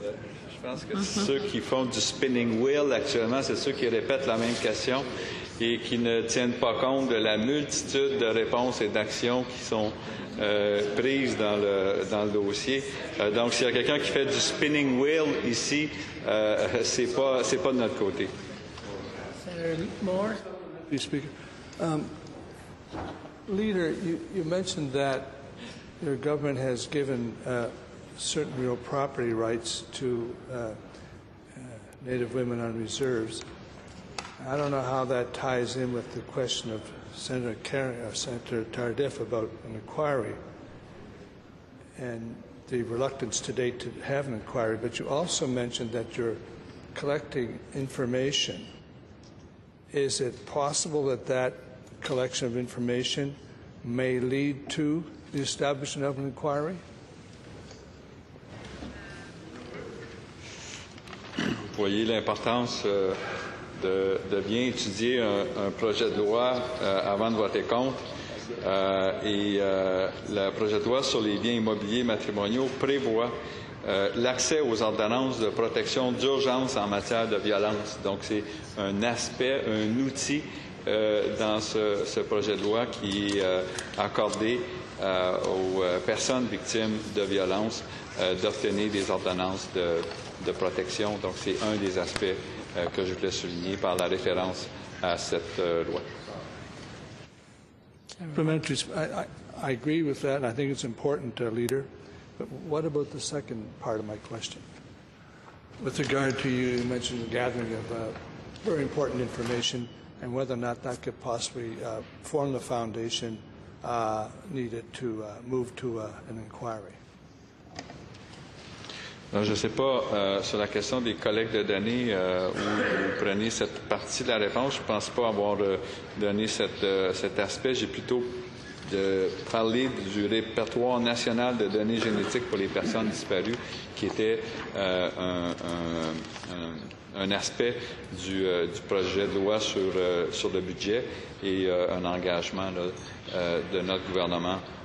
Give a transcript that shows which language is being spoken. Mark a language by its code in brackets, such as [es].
[fr] Je pense que ceux qui font du spinning wheel actuellement, c'est ceux qui répètent la même question et qui ne tiennent pas compte de la multitude de réponses et d'actions qui sont prises dans le dossier. Donc, s'il y a quelqu'un qui fait du spinning wheel ici, c'est pas de notre côté. [en] Senator Moore. Deputy Speaker. Leader, you mentioned that your government has given certain real property rights to Native women on reserves. I don't know how that ties in with the question of Senator Tardif about an inquiry and the reluctance to date to have an inquiry, but you also mentioned that you're collecting information. Is it possible that that collection of information may lead to the establishment of an inquiry? [fr] Vous voyez l'importance de bien étudier un projet de loi avant de voter contre. Le projet de loi sur les biens immobiliers matrimoniaux prévoit l'accès aux ordonnances de protection d'urgence en matière de violence. Donc, c'est un aspect, un outil dans ce projet de loi qui est accordé aux personnes victimes de violence d'obtenir des ordonnances de protection. Donc, c'est un des aspects que je voulais souligner par la référence à cette loi. [en] Supplementary, I agree with that, and I think it's important, Leader. But what about the second part of my question? With regard to you, you mentioned the gathering of very important information and whether or not that could possibly form the foundation needed to move to an inquiry. [fr] Non, je ne sais pas sur la question des collectes de données où vous prenez cette partie de la réponse. Je ne pense pas avoir donné cet aspect. J'ai plutôt parlé du répertoire national de données génétiques pour les personnes disparues, qui était un aspect du projet de loi sur le budget et un engagement là, de notre gouvernement.